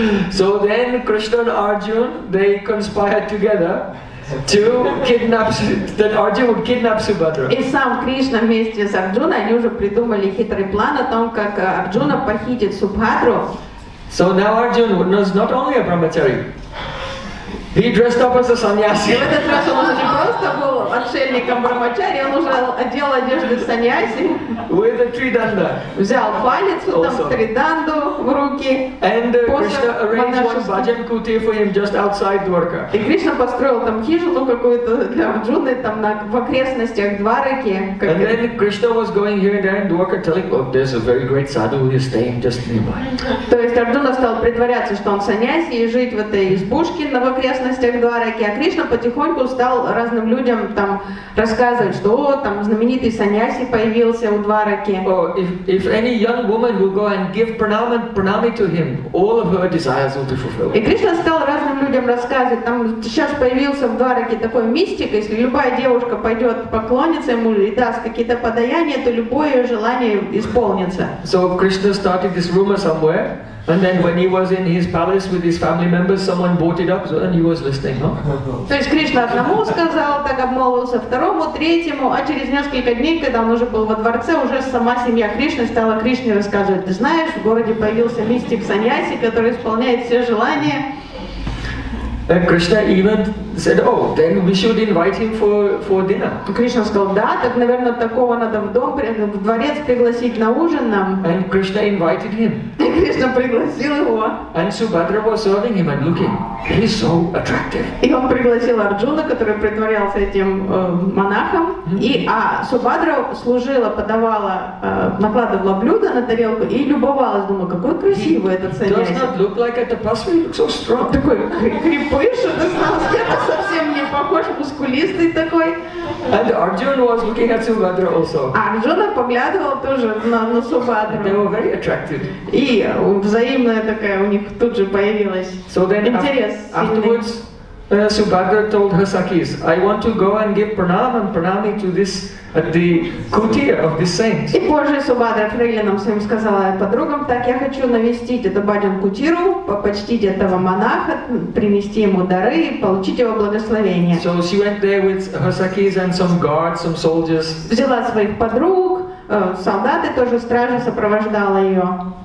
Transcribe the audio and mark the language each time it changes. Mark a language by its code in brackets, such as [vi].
[en] So then Krishna and Arjun, they conspired together to kidnap, that Arjun would kidnap Subhadra. [ru] И сам Кришна вместе с Арджуной, они уже придумали хитрый план о том, как Арджуна похитит Субхадру. [en] So now Arjun was not only a brahmachari. He dressed up as a sannyasi. [ru] В этот раз он уже не просто был отшельником брахмачари, он уже одел одежду сannyasi. [en] With a tridanda. [ru] Взял палец, там триданду в руки. [en] And Krishna arranged one bhajan kuti for him just outside Dwarka. [ru] И Кришна построил там хижину какую-то для Арджуны там в окрестностях Двараки. [en] And then Krishna was going here and there in Dwarka, telling, oh, there's a very great sadhu who is staying just nearby. [ru] То есть Арджуна стал притворяться, что он sannyasi, и жить в этой избушке на вокре. А Кришна потихоньку стал разным людям там рассказывать, что о, там знаменитый саньяси появился у Двараки. [en] If any young woman will go and give pranami to him, all of her desires will be fulfilled. [ru] И Кришна стал разным людям рассказывать, там сейчас появился в Двараке такой мистик, если любая девушка пойдет поклониться ему и даст какие-то подаяния, то любое ее желание исполнится. [en] So Krishna started this rumor somewhere. And then when he was in his palace with his family members, someone brought it up and he was listening, huh? [ru] То есть Кришна одному сказал, так обмолвился, второму, третьему, а через несколько дней, когда он уже был во дворце, уже сама семья Кришны стала Кришне рассказывать. Ты знаешь, в городе появился мистик саньяси, который исполняет все желания. [en] And Krishna even said, "Oh, then we should invite him for dinner." [ru] Кришна сказал, да, так наверное такого надо в дом, в дворец пригласить на ужин нам. [en] And Krishna invited him. [ru] И Кришна пригласил его. [en] And Subhadra was serving him and looking, he's so attractive. [ru] И он пригласил Арджуну, который притворялся этим монахом, и Субхадра служила, подавала, накладывала блюдо на тарелку и любовалась, думала, какой красивый этот саньяси. [en] Does not look like a tapasvi, he looks so strong. [ru] Такой крепыш, это совсем не похож, мускулистый такой. [en] And Arjuna was looking at Subhadra also. [ru] Арджуна поглядывал тоже на Субхадру. [en] They were very attracted. [ru] И взаимная такая у них тут же появилась. [en] So then [ru] интерес. [en] Afterwards, Subhadra told her Sakis, "I want to go and give pranam and pranami to this at the kutir of this saint." [ru] И позже Субхадра фрейлинам своим сказала подругам, так я хочу навестить эту баджан кутиру, почтить этого монаха, принести ему дары и получить его благословение. [en] So she went there with her Sakis and some guards, some soldiers. [ru] Взяла своих подруг, солдаты тоже стражи сопровождала ее.